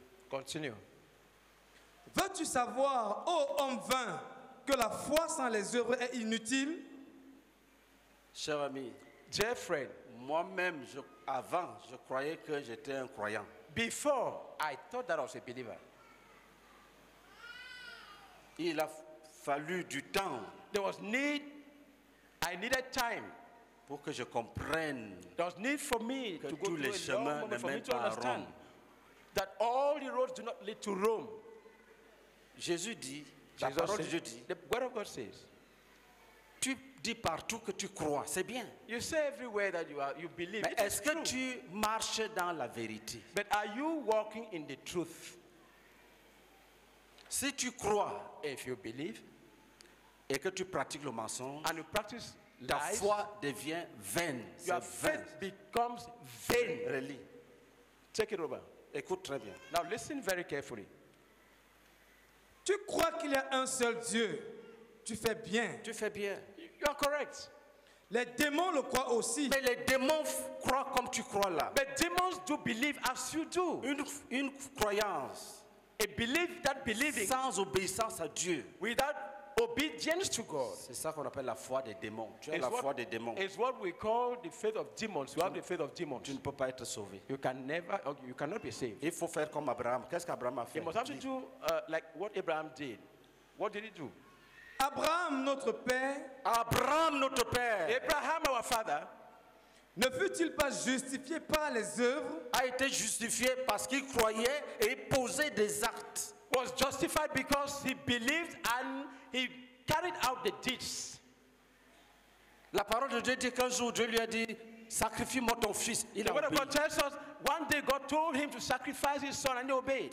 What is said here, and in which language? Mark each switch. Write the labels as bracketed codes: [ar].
[en] Continue. [fr] Veux-tu savoir, ô homme vain, que la foi sans les œuvres est inutile? Cher ami, [en] dear friend, [fr] moi-même, avant, je croyais que j'étais un croyant. [en] Before, I thought that I was a believer. [fr] Il a fallu du temps. [en] There was need. I needed time. [fr] Pour que je comprenne [en] there's need for me [fr] que [en] to [fr] tous les chemins ne mènent pas à Rome. [en] That all the roads do not lead to Rome. [fr] Jésus dit, Jesus la parole de Dieu dit, [en] the word of God says, [fr] tu dis partout que tu crois, c'est bien. [en] You say everywhere that you are, you believe. [fr] Mais est-ce que tu marches dans la vérité? [en] But are you walking in the truth? [fr] Si tu crois, [en] if you believe, [fr] et que tu pratiques le mensonge, [en] and you practice [fr] la foi devient vaine. [en] Your faith becomes vain. Really. Take it over. [fr] Écoute très bien. [en] Now listen very carefully. [fr] Tu crois qu'il y a un seul Dieu. Tu fais bien. Tu fais bien. [en] You are correct. [fr] Les démons le croient aussi. Mais les démons croient comme tu crois là. [en] But demons do believe as you do. [fr] Une croyance. [en] A belief that believing. [fr] Sans obéissance à Dieu. [en] Without obedience to God. [fr] C'est ça qu'on appelle la foi des démons. Tu as la foi des démons. [en] It's what we call the faith of demons. You have the faith of demons. [fr] Tu ne peux pas être sauvé. [en] You can never. You cannot be saved. [fr] Il faut faire comme Abraham. Qu'est-ce qu'Abraham a fait? [en] You must have to do like what Abraham did. What did he do? [fr] Abraham, notre père. Abraham, notre père. [en] Abraham, our father. [fr] Ne fut-il pas justifié par les œuvres? A été justifié parce qu'il croyait et posait des actes. [en] Was justified because he believed and he carried out the deeds. [fr] La parole de Dieu dit qu'un jour Dieu lui a dit, sacrifie-moi ton fils. Il [en] the word of God tells us, one day God told him to sacrifice his son and he obeyed.